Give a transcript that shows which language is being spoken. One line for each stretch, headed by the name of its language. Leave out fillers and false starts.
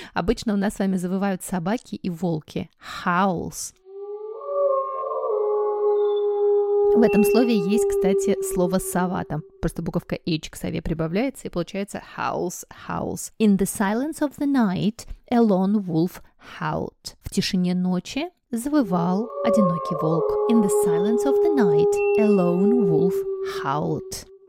Russian: Обычно у нас с вами завывают собаки и волки.
English: Howls.
Russian: В этом слове есть, кстати, слово «сова». Там просто буковка «h» к «сове» прибавляется, и получается «howls», «howls».
English: In the silence of the night, a lone wolf howled.
Russian: В тишине ночи завывал одинокий волк.
English: In the silence of the night, a lone wolf howled.